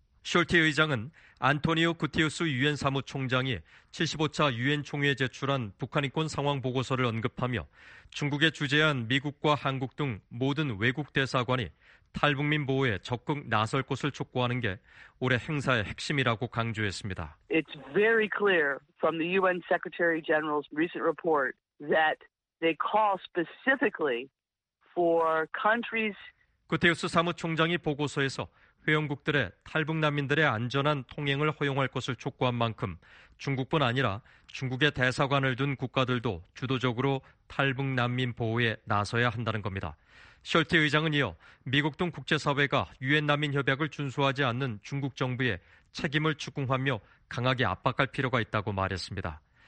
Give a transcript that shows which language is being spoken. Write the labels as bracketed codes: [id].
[ko] 숄트 의장은 안토니오 구티우스 유엔 사무총장이 75차 유엔 총회에 제출한 북한인권 상황 보고서를 언급하며 중국에 주재한 미국과 한국 등 모든 외국 대사관이 탈북민 보호에 적극 나설 것을 촉구하는 게 올해 행사의 핵심이라고 강조했습니다. [en] It's very clear from the UN Secretary General's recent report that they call specifically for countries. [ko] 구테우스 사무총장이 보고서에서 회원국들의 탈북 난민들의 안전한 통행을 허용할 것을 촉구한 만큼 중국뿐 아니라 중국의 대사관을 둔 국가들도 주도적으로 탈북 난민 보호에 나서야 한다는 겁니다. 숄트 의장은 이어 미국 등 국제사회가 유엔 난민협약을 준수하지 않는 중국 정부에 책임을 추궁하며 강하게 압박할 필요가 있다고 말했습니다.